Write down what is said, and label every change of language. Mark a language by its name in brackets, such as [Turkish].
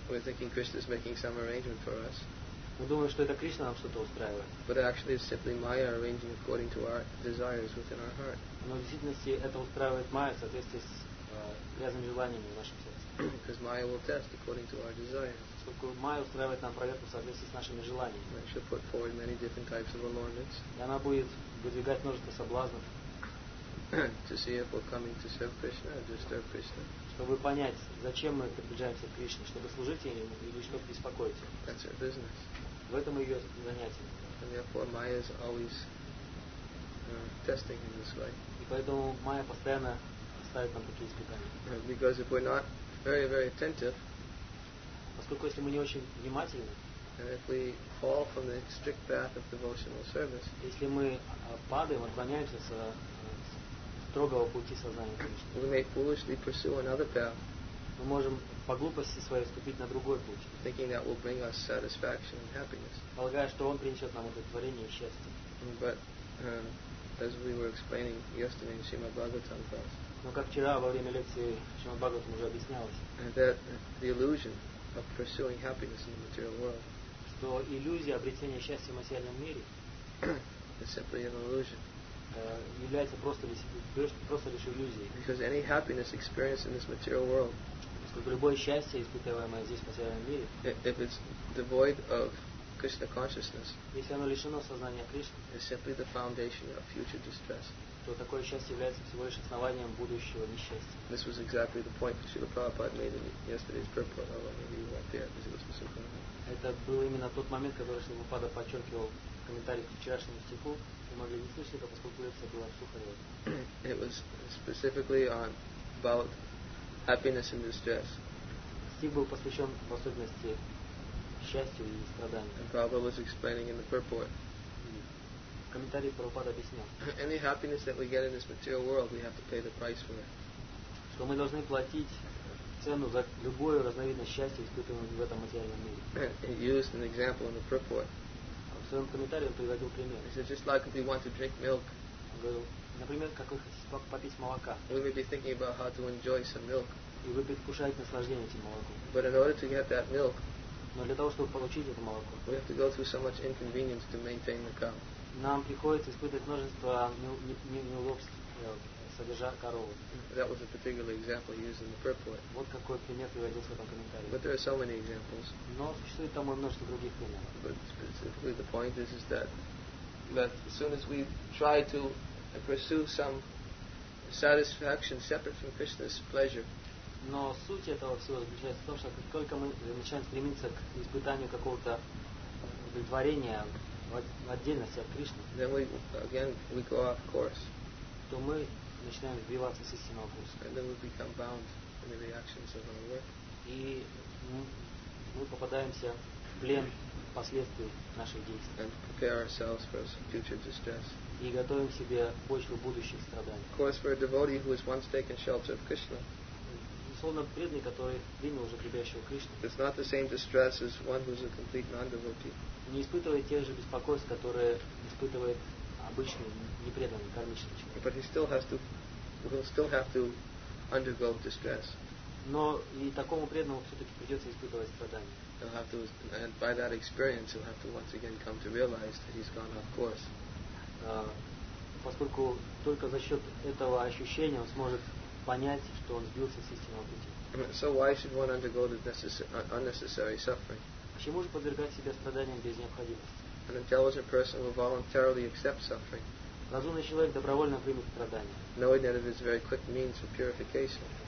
[English] We're thinking Krishna's making some arrangement for us. [Russian] Мы думаем, что это Кришна нам что-то устраивает. [English] But actually it's simply Maya arranging according to our desires within our heart. [Russian] Но в действительности это устраивает Майя в соответствии с грязными желаниями в нашем сердце. [English] Because Maya will test according to our desires. [Russian] Поскольку Майя устраивает нам проверку в соответствии с нашими желаниями. [English] And she'll put forward many different types of allurements. [Russian] И она будет выдвигать множество соблазнов. [English] To see if we're coming to serve Krishna or disturb Krishna. [Russian] Чтобы понять, зачем мы приближаемся к Кришне, чтобы служить ему или чтобы беспокоить его. [English] That's her business. [Russian] В этом ее занятие. [English] And therefore Maya is always testing in this way. [Russian] И поэтому Майя постоянно ставит нам такие испытания. [English] Because if we're not very, very attentive, [Russian] поскольку если мы не очень внимательны, [English] and if we fall from the strict path of devotional service, [Russian] если мы падаем, отклоняемся с строгого пути сознания Кришны, [English] we may foolishly pursue another path. [Russian] Мы можем по глупости своей вступить на другой путь, [English] thinking that will bring us satisfaction and happiness. [Russian] Полагая, что он принесет нам удовлетворение и счастье. [English] But as we were explaining yesterday in Srimad Bhagavatam class. [Russian] Но как вчера во время лекции Srimad Bhagavatam уже объяснялось. [English] That the illusion of pursuing happiness in the material world. [Russian] Что иллюзия обретения счастья в материальном мире. [English] Is simply an illusion. [Russian] Является просто лишь иллюзией. [English] Because any happiness experienced in this material world. [Russian] Поскольку любое счастье, испытываемое здесь в материальном мире. [English] If it's devoid of Krishna consciousness. [Russian] Если оно лишено сознания Кришны. [English] Is simply the foundation of future distress. [Russian] То такое счастье является всего лишь основанием будущего несчастья. [English] This was exactly the point that Srila Prabhupada made in yesterday's purport. Although maybe you weren't there, because it was the Supreme Lord. [Russian] Это был именно тот момент, который Srila Prabhupada подчеркивал в комментариях к вчерашнему стиху. Вы могли не слышать это, поскольку лекция была в Сухареве. [English] It was specifically on about happiness and distress. [Russian] Стих был посвящен в особенности счастью и страданию. [English] And Prabhupada was explaining in the purport. [Russian] Комментарий Прабхупада объяснял. [English] Any happiness that we get in this material world, we have to pay the price for it. [Russian] Что мы должны платить цену за любое разновидность счастья, испытываемое в этом материальном мире. [English] He used an example in the purport. [Russian] В своем комментарии он приводил пример. [English] He said, just like if we want to drink milk. [Russian] Он говорил, например, как вы хотите попить молока. [English] We may be thinking about how to enjoy some milk. [Russian] И вы предвкушаете наслаждение этим молоком. [English] But in order to get that milk, [Russian] но для того, чтобы получить это молоко, [English] we have to go through so much inconvenience to maintain the cow. [Russian] Нам приходится испытывать множество неудобств, содержа корову. [English] That was a particular example used in the purport. [Russian] Вот какой пример приводился в этом комментарии. [English] But there are so many examples. [Russian] Но существует там множество других примеров. [English] But specifically the point is that as soon as we try to pursue some satisfaction separate from Krishna's pleasure. [Russian] Но суть этого всего заключается в том, что как только мы начинаем стремиться к испытанию какого-то удовлетворения в отдельности от Кришны, [English] then we, again, we go off course. [Russian] То мы начинаем сбиваться с истинного курса. [English] And then we become bound in the reactions of our work. [Russian] И мы попадаемся в плен последствий наших действий. [English] And prepare ourselves for some future distress. [Russian] И готовим себе почву будущих страданий. [English] Of course, for a devotee who has once taken shelter of Krishna, [Russian] словно преданный, который принял уже гребящего Кришну. [English] It's not the same distress as one who's a complete non-devotee. [Russian] Не испытывает тех же беспокойств, которые испытывает обычный непреданный кармический человек. [English] But he still has to, will still have to undergo distress. [Russian] Но и такому преданному все-таки придется испытывать страдания. [English] He'll have to, and by that experience, he'll have to once again come to realize that he's gone off course. [Russian] Поскольку только за счет этого ощущения он сможет понять, что он сбился с истинного пути. [English] So why should one undergo the unnecessary suffering? [Russian] Почему же подвергать себя страданиям без необходимости? [English] An intelligent person will voluntarily accept suffering. [Russian] Разумный человек добровольно примет страдания. [English] Knowing that it is a very quick means of purification.